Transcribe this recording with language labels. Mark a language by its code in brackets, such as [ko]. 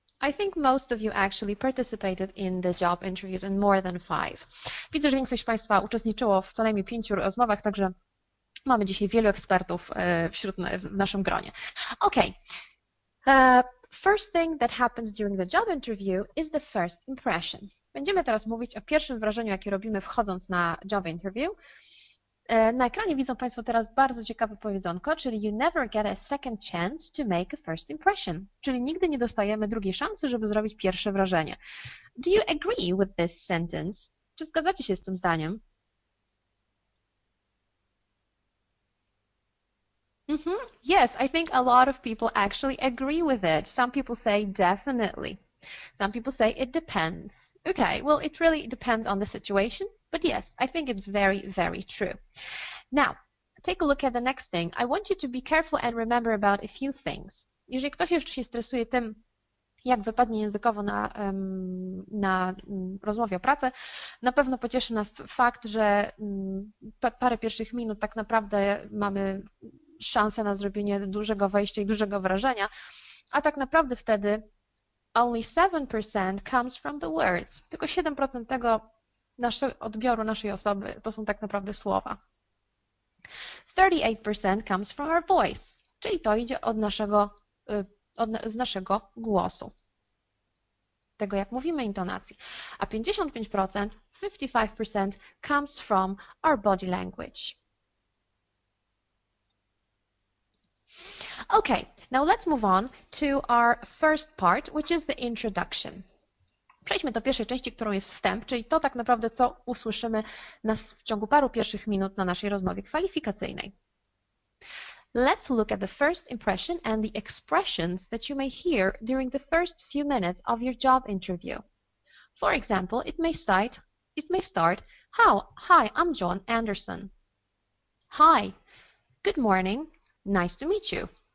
[en] I think most of you actually participated in the job interviews in more than 5. [pl] Widzę, że większość z Państwa uczestniczyło w co najmniej 5 rozmowach, także mamy dzisiaj wielu ekspertów w naszym gronie. [en] Okay. First thing that happens during the job interview is the first impression. [pl] Będziemy teraz mówić o pierwszym wrażeniu, jakie robimy wchodząc na job interview. Na ekranie widzą Państwo teraz bardzo ciekawe powiedzonko, czyli [en] you never get a second chance to make a first impression. [pl] Czyli nigdy nie dostajemy drugiej szansy, żeby zrobić pierwsze wrażenie. [en] Do you agree with this sentence? [pl] Czy zgadzacie się z tym zdaniem? Mm-hmm. [en] Yes, I think a lot of people actually agree with it. Some people say definitely. Some people say it depends. Okay, well, it really depends on the situation. But yes, I think it's very, very true. Now, take a look at the next thing. I want you to be careful and remember about a few things. [pl] Jeżeli ktoś jeszcze się stresuje tym, jak wypadnie językowo na rozmowie o pracę, na pewno pocieszy nas fakt, że parę pierwszych minut tak naprawdę mamy szansę na zrobienie dużego wejścia i dużego wrażenia, a tak naprawdę wtedy [en] only 7% comes from the words. [pl] Tylko 7% tego naszego odbioru, naszej osoby, to są tak naprawdę słowa. [en] 38% comes from our voice, [pl] czyli to idzie od naszego, z naszego głosu, tego jak mówimy, intonacji. [en] A 55% comes from our body language. Okay, now let's move on to our first part, which is the introduction. [pl] Przejdźmy do pierwszej części, którą jest wstęp, czyli to tak naprawdę, co usłyszymy w ciągu paru pierwszych minut na naszej rozmowie kwalifikacyjnej. [en] Let's look at the first impression and the expressions that you may hear during the first few minutes of your job interview. For example, it may start, hi, I'm John Anderson. Hi, good morning, nice to meet you.